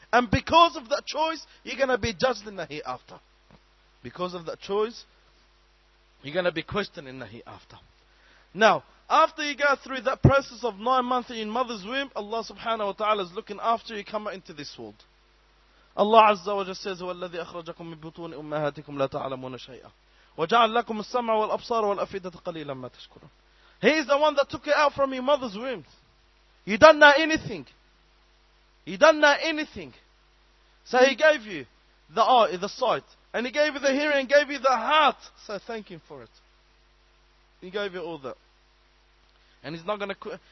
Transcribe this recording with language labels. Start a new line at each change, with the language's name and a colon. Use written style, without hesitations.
English: And because of that choice, you're going to be judged in the hereafter. Because of that choice, you're going to be questioned in the hereafter. Now, after you go through that process of 9 months in mother's womb, Allah subhanahu wa ta'ala is looking after you come into this world. Allah Azza wa Jalla says,
Arabic: وَالَّذِي أَخْرَجَكُمْ مِنْ بُطُونِ أُمَّهَاتِكُمْ لَا تَعْلَمُونَ شَيْئًا وَجَعَلْ لَكُمْ السَّمْعَ وَالْأَبْصَارَ وَالْأَفْئِدَةَ قَلِيلًا مَا تَشْكُرُونَ.
English: He is the one that took it out from your mother's womb. You don't know anything. You don't know anything. So He gave you the eye, the sight. And He gave you the hearing and gave you the heart. So thank Him for it. He gave you all that. And He's not going to quit.